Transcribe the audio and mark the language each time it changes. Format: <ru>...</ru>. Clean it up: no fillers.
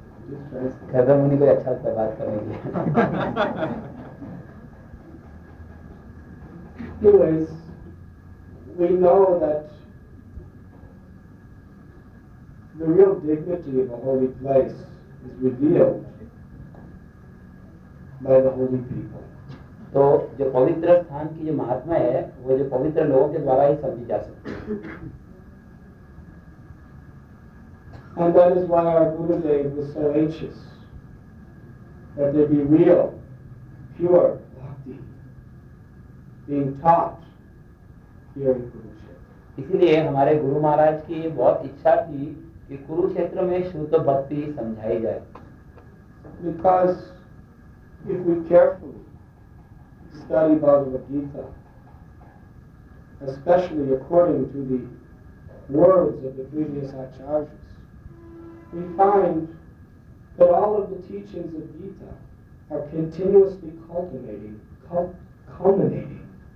<hi>कहता मुनि कोई अच्छा से बात करेंगे</hi> <en>Anyways, we know that the real dignity of a holy place is revealed by the holy people.</en> <hi>तो जो पवित्र स्थान की जो महात्मा है वो जो पवित्र लोगों के द्वारा ही समझी जा सकती है।</hi> <en>And that is why our Gurudev was so anxious that there be real, pure bhakti being taught here in Kurukshetra.</en> <hi>इसीलिए हमारे गुरु महाराज की बहुत इच्छा थी कि कुरुक्षेत्र में शुद्ध भक्ति समझाई जाए।</hi> <en>Because if we carefully study Bhagavad Gita, especially according to the words of the previous acharyas, we find that all of the teachings of Gita are continuously culminating in bhakti.</en>